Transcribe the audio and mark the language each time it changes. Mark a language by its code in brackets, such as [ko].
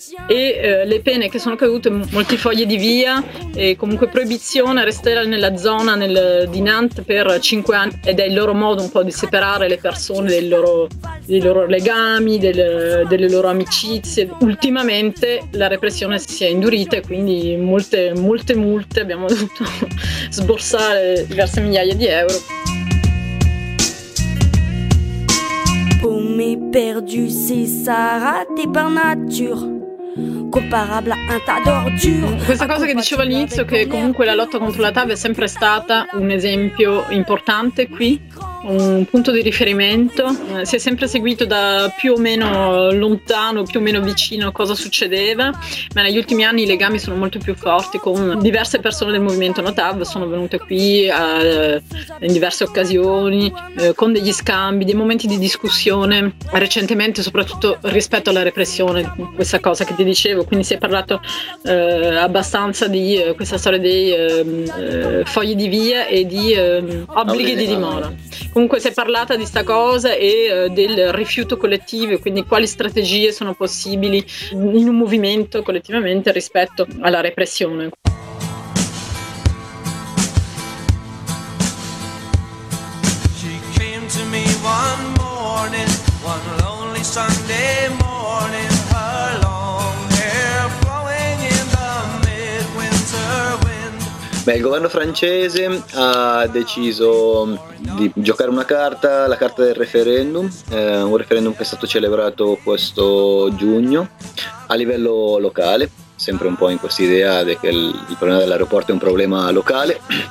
[it] E le pene che sono cadute, molti fogli di via e comunque proibizione a restare nella zona di Nantes per 5 anni, ed è il loro modo un po' di separare le persone dei loro legami, delle loro amicizie. Ultimamente la repressione si è indurita e quindi molte multe, abbiamo dovuto sborsare diverse migliaia di euro. [fr] Paumé, perdu, c'est ça raté par nature. Comparable a un tas d'ordures. [it] Questa cosa che dicevo all'inizio, che comunque la lotta contro la TAV è sempre stata un esempio importante qui, un punto di riferimento, si è sempre seguito da più o meno lontano, più o meno vicino cosa succedeva, ma negli ultimi anni i legami sono molto più forti, con diverse persone del movimento No TAV sono venute qui in diverse occasioni, con degli scambi, dei momenti di discussione recentemente, soprattutto rispetto alla repressione, questa cosa che ti dicevo. Quindi si è parlato abbastanza di questa storia dei fogli di via e di obblighi di dimora. Comunque si è parlata di sta cosa e del rifiuto collettivo, quindi quali strategie sono possibili in un movimento collettivamente rispetto alla repressione. [en] She came to me one morning, one lonely Sunday morning, her long hair flowing in the midwinter wind. [it] Beh, il governo francese ha deciso di giocare una carta, la carta del referendum, un referendum che è stato celebrato questo giugno a livello locale, sempre un po' in questa idea che il problema dell'aeroporto è un problema locale.